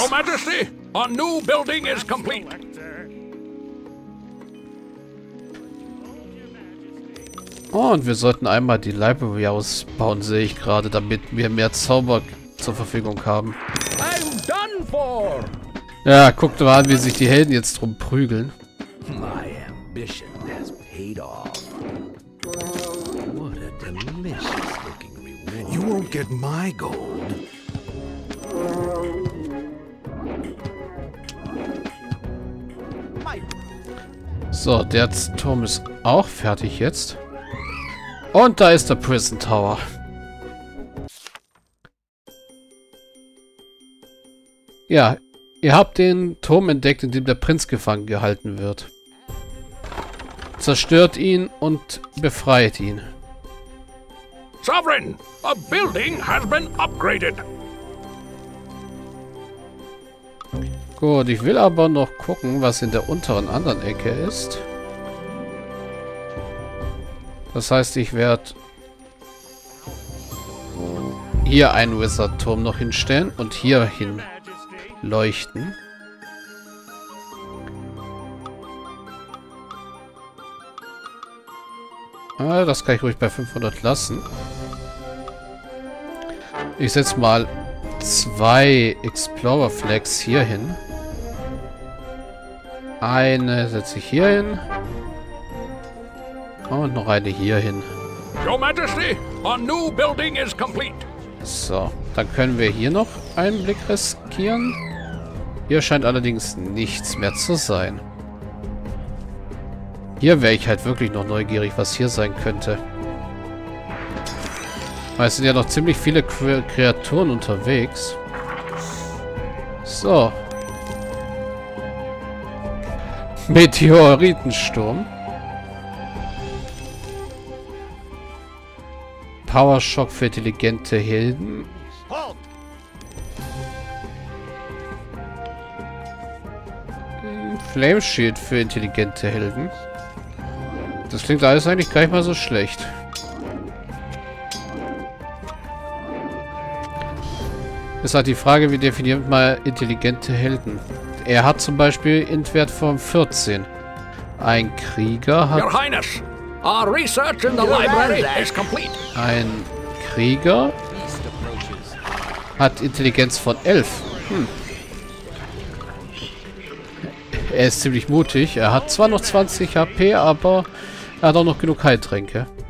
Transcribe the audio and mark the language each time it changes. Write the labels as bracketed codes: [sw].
[de] Your Majesty, our new building is complete. Und wir sollten einmal die Library ausbauen, sehe ich gerade, damit wir mehr Zauber zur Verfügung haben. [en] I'm done for. [de] Ja, guckt mal an, wie sich die Helden jetzt drum prügeln. [en] My ambition has paid off. What a delicious looking reward. You won't get my gold. [de] So, der Turm ist auch fertig jetzt. Und da ist der Prison Tower. Ja, ihr habt den Turm entdeckt, in dem der Prinz gefangen gehalten wird. Zerstört ihn und befreit ihn. [en] Sovereign, a building has been upgraded. [de] Gut, ich will aber noch gucken, was in der unteren anderen Ecke ist. Das heißt, ich werde hier einen Wizard-Turm noch hinstellen und hier hin leuchten. Ah, das kann ich ruhig bei 500 lassen. Ich setze mal zwei Explorer Flags hier hin. Eine setze ich hier hin. Und noch eine hier hin. [en] Your Majesty, our new building is complete. [de] So, dann können wir hier noch einen Blick riskieren. Hier scheint allerdings nichts mehr zu sein. Hier wäre ich halt wirklich noch neugierig, was hier sein könnte. Weil es sind ja noch ziemlich viele Kreaturen unterwegs. So. Meteoritensturm. Powershock für intelligente Helden. Flameshield für intelligente Helden. Das klingt alles eigentlich gar nicht mal so schlecht. Ist halt die Frage, wie definiert man intelligente Helden? Er hat zum Beispiel Int-Wert von 14. Ein Krieger hat... [en] Your Highness, our research in the library is complete. [de] Ein Krieger hat Intelligenz von 11. Er ist ziemlich mutig. Er hat zwar noch 20 HP, aber er hat auch noch genug Heiltränke.